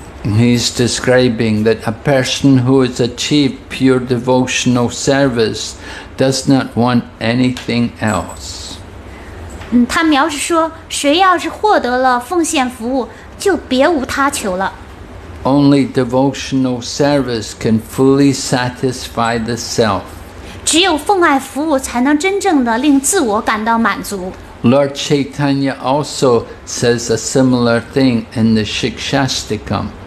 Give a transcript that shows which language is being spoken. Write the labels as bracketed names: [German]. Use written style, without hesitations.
[English] He's describing that a person who has achieved pure devotional service does not want anything else. [Chinese] 他描述说 谁要是获得了奉献服务 就别无他求了。 [English] Only devotional service can fully satisfy the self. [Chinese] 只有奉爱服务才能真正的令自我感到满足。Lord [English] Chaitanya also says a similar thing in the Shikshastikam.